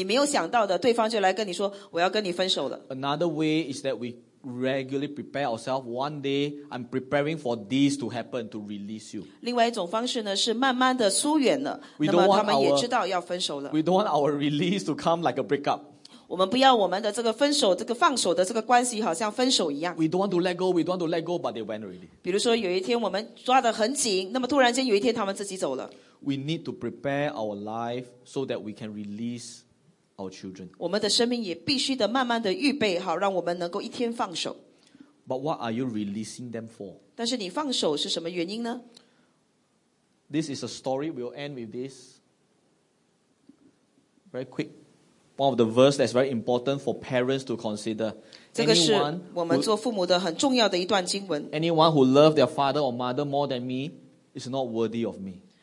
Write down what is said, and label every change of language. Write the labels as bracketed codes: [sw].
[zh] 比如说有一种分手的方式是突然间你没有想到的,对方就来跟你说,我要跟你分手了。 [en] Another way is that we regularly prepare ourselves, one day I'm preparing for this to happen, to release you. [zh] 另外一种方式呢,是慢慢的疏远了,那么他们也知道要分手了。 [en] We don't want our release to come like a breakup. [zh] 我们不要我们的这个分手,这个放手的这个关系好像分手一样。 [en] We don't want to let go, we don't want to let go, but they went already. [zh] 比如说有一天我们抓得很紧, 那么突然间有一天他们自己走了。 [en] We need to prepare our life so that we can release our children. [zh] 我们的生命也必须的慢慢的预备好, 让我们能够一天放手。 [en] But what are you releasing them for? [zh] 但是你放手是什么原因呢? [en] This is a story, we'll end with this. Very quick. One of the verse that's very important for parents to consider. Anyone who loves their father or mother more than me is not worthy of me.